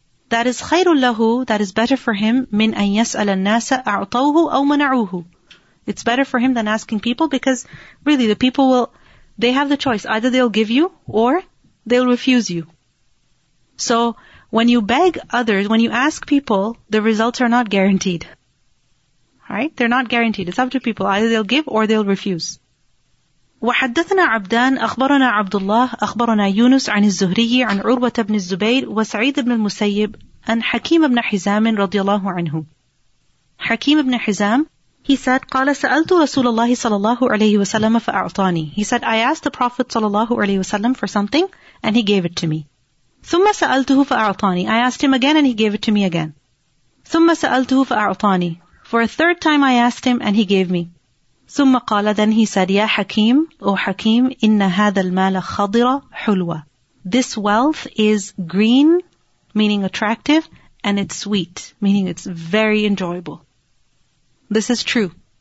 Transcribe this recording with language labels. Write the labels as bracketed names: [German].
[English] That is [Arabic] خَيْرٌ لَهُ [English] That is better for him, [Arabic] مِنْ أَنْ يَسْأَلَ النَّاسَ أَعْطَوهُ أَوْ مَنَعُوهُ [English] It's better for him than asking people because really the people will, they have the choice. Either they'll give you or they'll refuse you. So, when you beg others, when you ask people, the results are not guaranteed. Right? They're not guaranteed. It's up to people. Either they'll give or they'll refuse. [Arabic] وَحَدَّثْنَا عَبْدَانَ أَخْبَرَنَا عَبْدُ اللَّهِ أَخْبَرَنَا يُونُسَ عَنِ الزُّهْرِيِّ عَنْ عُرْوَةَ بْنِ الزُّبَيْرِ وَسَعِيدَ بْنِ الْمُسَيِّبِ أَنْ حَكِيمَ بْنِ حِزَامٍ رَضِيَ اللَّهُ عَنْهُ حَكِيم بْنِ حِزَام [English] He said, [Arabic] قَالَ سَأَلْتُ رَسُولَ اللَّهِ صَلَى اللَّهُ عَلَيْهِ وَسَلَّمَ فَأَعْطَانِي [English] He said, I asked the Prophet صلى الله عليه وسلم for something and he gave it to me. [Arabic] ثُمَّ سَأَلْتُهُ فَأَعْطَانِي [English] I asked him again and he gave it to me again. [Arabic] ثُمَّ سَأَلْتُهُ فَأَعْطَانِي [English] For a third time I asked him and he gave me. [Arabic] ثُمَّ قَالَ [English] Then he said, [Arabic] يَا حَكِيمُ [English] O حَكِيمُ [Arabic] إِنَّ هَذَا الْمَالَ خَضِرَ حُلْوَ [English] This wealth is green, meaning attractive, and it's sweet, meaning it's very enjoyable. This is true.